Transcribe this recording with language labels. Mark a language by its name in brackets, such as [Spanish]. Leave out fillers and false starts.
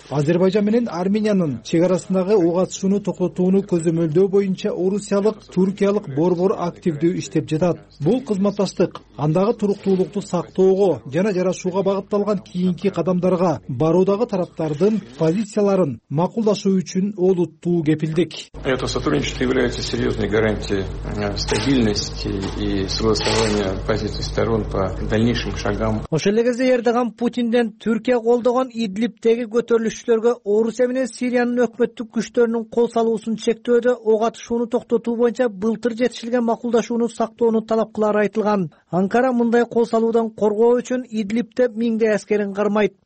[Kyrgyz] Азербайжан менен Армениянын чек арасындагы угатышууну токтотууну көзөмөлдөө боюнча орусиялык, туркиялык борбор активдүү иштеп жатат. Бул кызматташтык андагы туруктуулукту сактоого жана жарашууга багытталган кийинки кадамдарга баруудагы тараптардын позицияларын макулдашуу үчүн олуттуу кепилдик. [Russian] Это сотрудничество является серьезной гарантией стабильности и согласования позиций сторон по дальнейшим шагам. [Kyrgyz] Ошол эле кезде Эрдоган Путинден Түркия колдогон Идлибтеги көтөрүлүштөргө Орусия менен Сириянын өкмөттүк күчтөрүнүн кол салуусун чектөөдө угатышууну токтотуу боюнча былтыр жетишилген макулдашууну сактоону талап кылары айтылган. Анкара мындай кол салуудан коргоо үчүн Идлибте миңдей аскерин кармайт.